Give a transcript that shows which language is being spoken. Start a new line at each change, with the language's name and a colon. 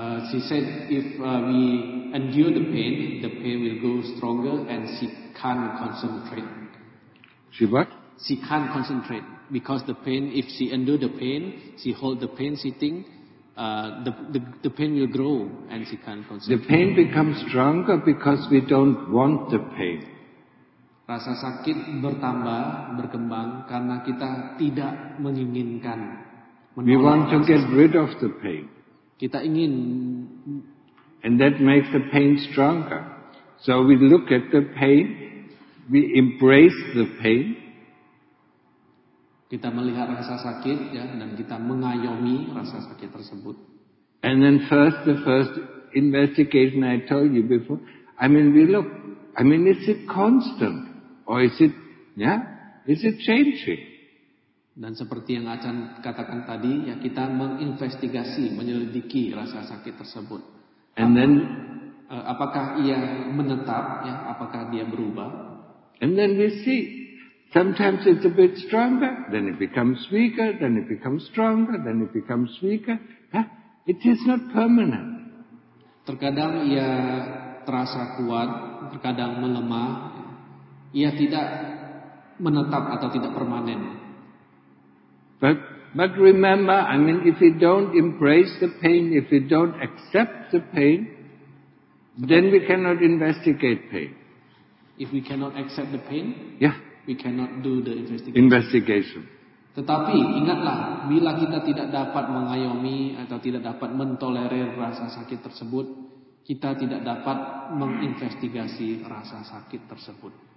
English: She said, if we endure the pain will go stronger and she can't concentrate. She what? She can't concentrate because the pain, if she endure the pain, she hold the pain sitting, the pain will grow and she can't concentrate. The pain becomes stronger because we don't want the pain.
Indonesian: Rasa sakit bertambah, berkembang karena kita tidak menginginkan.
English: We want to get rid of the pain.
Indonesian: Kita ingin,
English: and that makes the pain stronger. So we look at the pain, we embrace the pain.
Indonesian: Kita melihat rasa sakit, ya, dan kita mengayomi rasa sakit tersebut.
English: And then the first investigation I told you before. I mean, we look. I mean, is it constant or is it, yeah, is it changing?
Indonesian: Dan seperti yang Achan katakan tadi, ya kita menginvestigasi, menyelidiki rasa sakit tersebut. Apakah ia menetap, ya? Apakah dia berubah?
English: And then we see, sometimes it's a bit stronger, then it becomes weaker, then it becomes stronger, then it becomes weaker. It is not permanent.
Indonesian: Terkadang ia terasa kuat, terkadang melemah. Ia tidak menetap atau tidak permanen.
English: But remember, I mean, if we don't embrace the pain, if we don't accept the pain, then we cannot investigate pain. If we cannot accept the pain, yeah, we cannot do the investigation.
Indonesian: Tetapi ingatlah, bila kita tidak dapat mengayomi atau tidak dapat mentolerir rasa sakit tersebut, kita tidak dapat menginvestigasi rasa sakit tersebut.